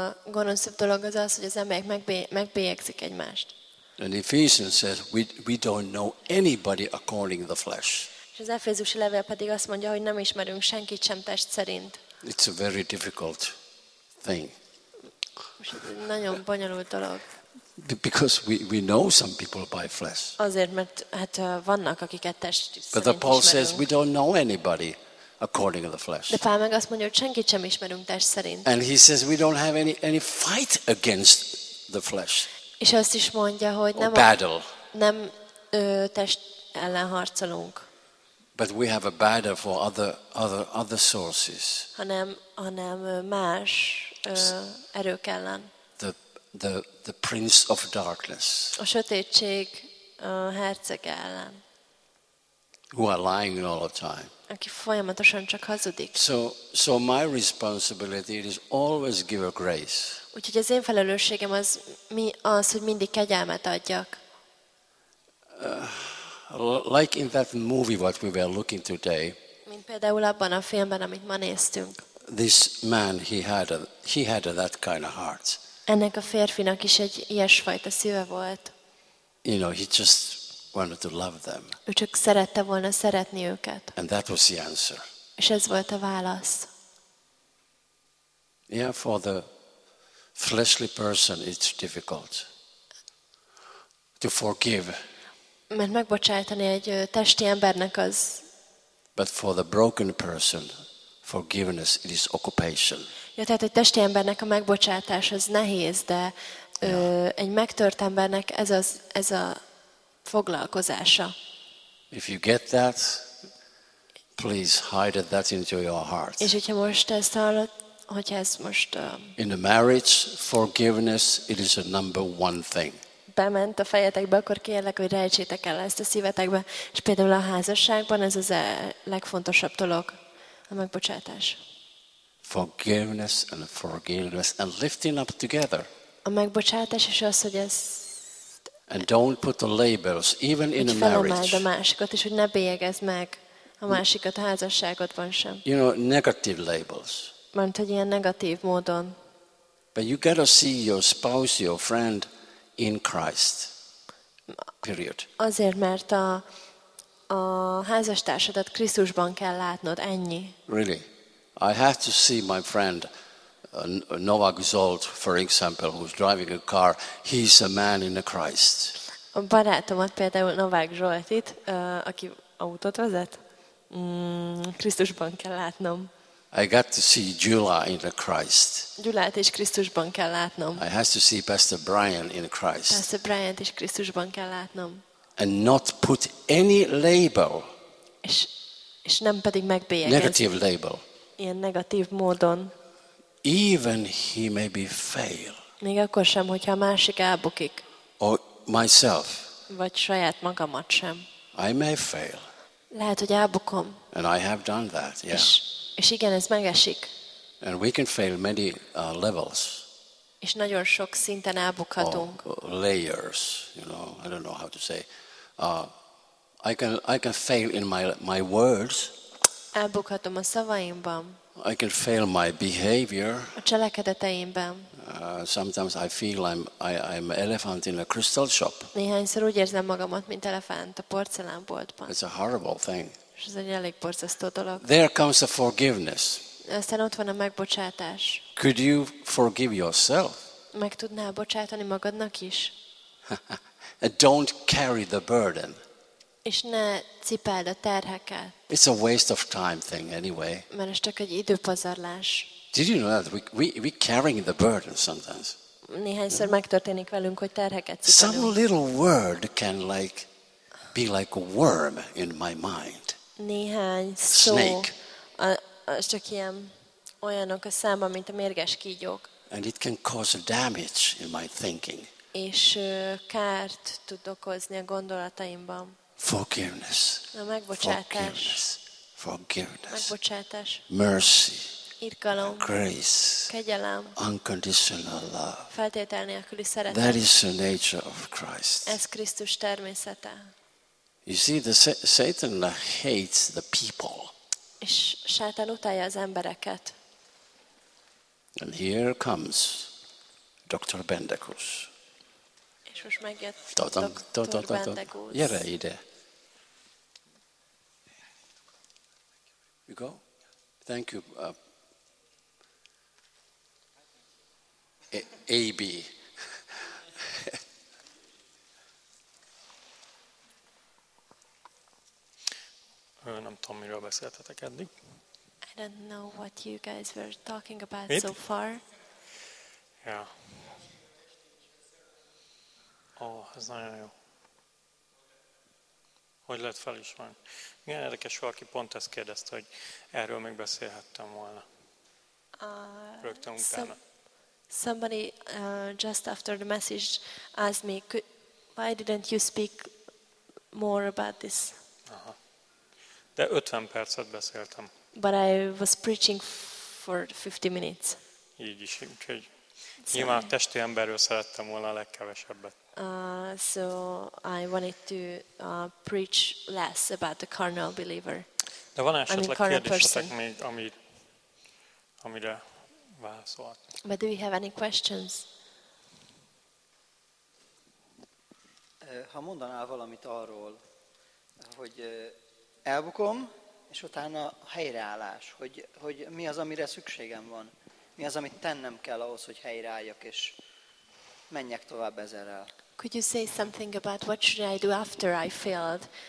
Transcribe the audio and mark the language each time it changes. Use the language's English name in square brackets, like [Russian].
[Hungarian] Gonoszabb dolog az az, hogy az emberek megbélyegzik egymást. [English] And Ephesians says we don't know anybody according to the flesh. [Hungarian] És az Efézusi levél pedig azt mondja, hogy nem ismerünk senkit sem test szerint. [English] It's a very difficult thing. [Hungarian] Nagyon bonyolult dolog. [English] Because we know some people by flesh. [Hungarian] Azért, mert hát vannak, akiket test szerint ismerünk. [English] But the Paul says we don't know anybody according to the flesh. [Hungarian] De Pál meg azt mondja, hogy senkit sem ismerünk test szerint. [English] And he says we don't have any fight against the flesh. [Hungarian] És azt is mondja, hogy nem [English] battle. [Hungarian] Nem test ellen harcolunk. [English] But we have a battle for other sources. [Hungarian] Hanem más erők ellen. [English] The prince of darkness. [Hungarian] A sötétség herceg ellen. [English] Who are lying all the time. [Hungarian] Aki folyamatosan csak hazudik. [English] So my responsibility is always give a grace. [Hungarian] Úgyhogy az én felelősségem az, hogy mindig kegyelmet adjak. [English] Like in that movie what we were looking today. [Hungarian] Mint például abban a filmben, amit ma néztünk. [English] This man he had that kind of heart. [Hungarian] Ennek a férfinak is egy ilyesfajta szíve volt. [English] You know, he just wanted to love them. [Hungarian] Ő csak szerette volna szeretni őket. [English] And that was the answer. [Hungarian] És ez volt a válasz. [English] Yeah, for the fleshly person it's difficult to forgive. [Hungarian] Mert megbocsájtani egy testi embernek az. [English] But for the broken person, forgiveness it is occupation. [Hungarian] Ja, tehát egy testi embernek a megbocsátás az nehéz, de egy megtört embernek ez a foglalkozása. [English] If you get that, please hide that into your heart. [Hungarian] És hogyha most ezt hallod, hogyha ez most. [English] In a marriage, forgiveness it is a number one thing. [Hungarian] Bement a fejetekbe, akkor kérlek, hogy rejtsétek el ezt a szívetekbe. És például a házasságban ez az a legfontosabb dolog, a megbocsátás. [English] Forgiveness and forgiveness and lifting up together. [Hungarian] A megbocsátás és az, hogy ez. [English] And don't put the labels, even in a marriage. [Hungarian] Felemeld a másikat, és hogy ne bélyegezd meg a másikat a házasságodban sem. [English] You know, negative labels. [Hungarian] Mert hogy ilyen negatív módon. [English] But you gotta see your spouse, your friend, in Christ. period. [Hungarian] Azért, mert a házastársadat Krisztusban kell látnod, ennyi. [English] Really? I have to see my friend Novak Zsolt, for example, who's driving a car. He's a man in the Christ. [Hungarian] A barátomat például Novak Zsoltit, aki autót vezet, Krisztusban kell látnom. [English] I got to see Julia in the Christ. [Hungarian] Gyulát is Krisztusban kell látnom. [English] I have to see Pastor Brian in the Christ. [Hungarian] Pastor Brian is Krisztusban kell látnom. [English] And not put any label. [Hungarian] És nem pedig megbélyegezni. [English] Negative label. [Hungarian] Ilyen negatív módon. [English] Even he may be fail. [Hungarian] Még akkor sem, hogyha a másik elbukik. [English] Or myself. [Hungarian] Vagy saját magamat sem. [English] I may fail. [Hungarian] Lehet, hogy elbukom. [English] And I have done that, yeah. [Hungarian] És igen, ez megesik. [English] And we can fail many levels. [Hungarian] És nagyon sok szinten elbukhatunk. [English] Layers, you know, I don't know how to say. I can fail in my words. [Hungarian] Elbukhatom a szavaimban. [English] I can fail my behavior. [Hungarian] A cselekedeteimben. [English] Sometimes I feel I'm elephant in a crystal shop. [Hungarian] Néhányszor úgy érzem magamat, mint elefánt a porcelánboltban. [English] It's a horrible thing. [Hungarian] És ez egy elég borzasztó dolog. [English] There comes a forgiveness. [Hungarian] Aztán ott van a megbocsátás. [English] Could you forgive yourself? [Hungarian] Meg tudnál bocsátani magadnak is? [English] Don't carry the burden. [Hungarian] És ne cipeld a terheket. [English] It's a waste of time thing anyway. [Hungarian] Mert ez csak egy időpazarlás. [English] Did you know that we carrying the burden sometimes? [Hungarian] Néhányszor megtörténik velünk, hogy terheket cipelünk. [English] Some little word can like be like a worm in my mind. [Hungarian] Néhány szó. [English] Snake. [Hungarian] Az csak ilyen olyanok a számban, mint a mérges kígyók. [English] And it can cause damage in my thinking. [Hungarian] És kárt tud okozni a gondolataimban. [English] Forgiveness. [Hungarian] A megbocsátás. [English] Forgiveness. [Hungarian] Megbocsátás. [English] Mercy. [Hungarian] Irgalom. [English] Grace. [Hungarian] Kegyelem. [English] Unconditional love. [Hungarian] Feltétel nélküli szeretet. [English] That is the nature of Christ. [Hungarian] Ez Krisztus természete. [English] You see, the Satan hates the people. [Hungarian] És Sátán utálja az embereket. [English] And here comes Dr. Bendegúz. [Hungarian] És most megjött Dr. Bendegúz. Gyere ide. [English] You go? Thank you. AB. [Hungarian] Nem tudom, miről beszéltetek eddig. [English] I don't know what you guys were talking about. [Hungarian] Mit? [English] So far. Yeah. [Hungarian] Oh, ez nagyon jó. Hogy lehet felismerni? Milyen érdekes, valaki pont ezt kérdezte, hogy erről még beszélhettem volna. Rögtön utána. [English] Somebody just after the message asked me, why didn't you speak more about this? [Hungarian] De 50 percet beszéltem. [English] But I was preaching for 50 minutes. [Hungarian] Így is, úgyhogy nyilván a testi emberről szerettem volna a legkevesebbet. [English] So I wanted to preach less about the carnal believer. [Hungarian] De van esetleg kérdésetek még, amire válaszolt. [English] But do you have any questions? [Hungarian] Ha mondanál valamit arról, hogy elbukom, és utána a helyreállás, hogy mi az, amire szükségem van. Mi az, amit tennem kell ahhoz, hogy helyreálljak, és menjek tovább ezerrel. [English] Could you say something about what should I do after I failed?